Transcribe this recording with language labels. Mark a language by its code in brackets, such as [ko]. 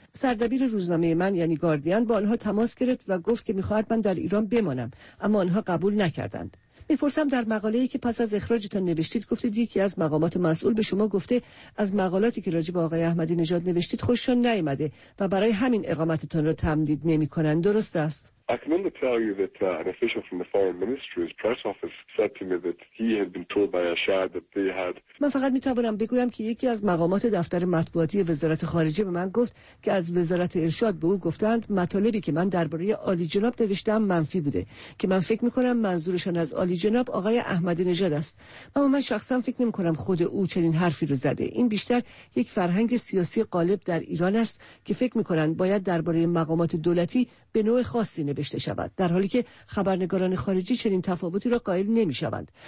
[fa] سردبیر روزنامه من یعنی گاردین با آنها تماس گرفت و گفت که میخواهد من در ایران بمانم، اما آنها قبول نکردند. میپرسم در مقاله‌ای که پس از اخراجتان نوشتید گفتید یکی از مقامات مسئول به شما گفته از مقالاتی که راجع به آقای احمدی نژاد نوشتید خوششان نیامده و برای همین اقامتتان را تمدید نمی‌کنند، درست است؟ [en] I can only tell you that an official from the foreign ministry's press office said to me that he had been told by Ashad that they had. [fa] من فقط می توانم بگویم که یکی از مقامات دفتر مطبوعاتی وزارت خارجه به من گفت که از وزارت ارشاد به او گفتند مطالبی که من درباره عالی جناب نوشتم منفی بوده، که من فکر می کنم منظورشان از عالی جناب آقای احمدی نژاد است. اما من شخصا فکر نمی کنم خود او چنین حرفی رو زده. این بیشتر یک فرهنگ سیاسی غالب در ایران است که فکر می کنند باید درباره مقامات دولتی به نوع خاصی نوشته شود، در حالی که خبرنگاران خارجی چنین تفاوتی را قائل نمی‌شوند.